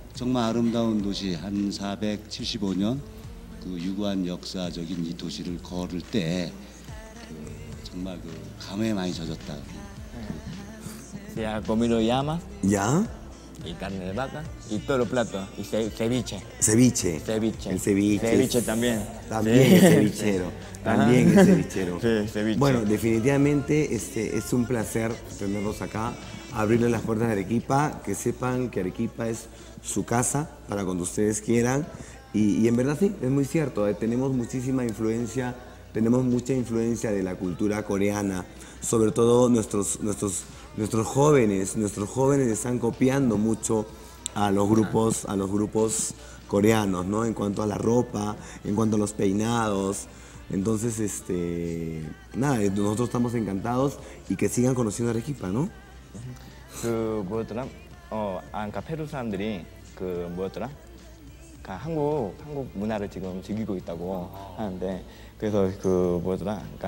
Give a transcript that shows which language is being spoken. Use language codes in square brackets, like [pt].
[ko] 정말 아름다운 도시 한 475년 그 유구한 역사적인 이 도시를 걸을 때 정말 그 감회 많이 젖었다. [es] 네. 야, comido llamas? [ko] 야. [es] Y carne de vaca, y todos los platos, y ceviche. Ceviche. Ceviche. El ceviche. Ceviche también. También sí. Es cevichero. También es cevichero. Sí, ceviche. Bueno, definitivamente es un placer tenerlos acá, abrirles las puertas de Arequipa, que sepan que Arequipa es su casa para cuando ustedes quieran. Y en verdad sí, es muy cierto, tenemos muchísima influencia, tenemos mucha influencia de la cultura coreana, sobre todo nuestros jóvenes están copiando mucho a los grupos coreanos, ¿no? En cuanto a la ropa, en cuanto a los peinados. Entonces, nada, nosotros estamos encantados y que sigan conociendo Arequipa, ¿no? [ko] Perú 사람들이 그 뭐더라? 한국 문화를 지금 즐기고 있다고 하는데 그래서 그 뭐더라?